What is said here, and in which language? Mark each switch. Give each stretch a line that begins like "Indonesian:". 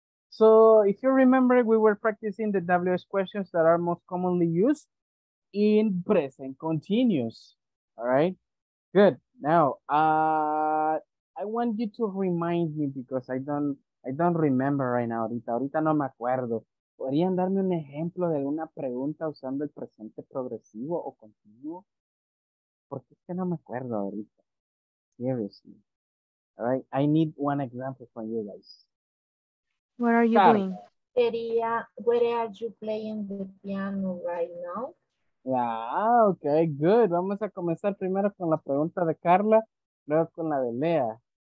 English: So if you remember, we were practicing the WH questions that are most commonly used in present continuous. All right, good. Now, I want you to remind me because I don't remember right now,
Spanish: ahorita no me acuerdo. ¿Podrían darme un ejemplo de alguna pregunta usando el presente progresivo o continuo? Porque es que no me acuerdo ahorita.
English: Seriously. All right, I need one example from you guys. What are you doing? Sería, where are you playing the piano right now? Ah, okay, good.
Spanish: Vamos a comenzar primero con la pregunta de Carla, luego con la de Lea.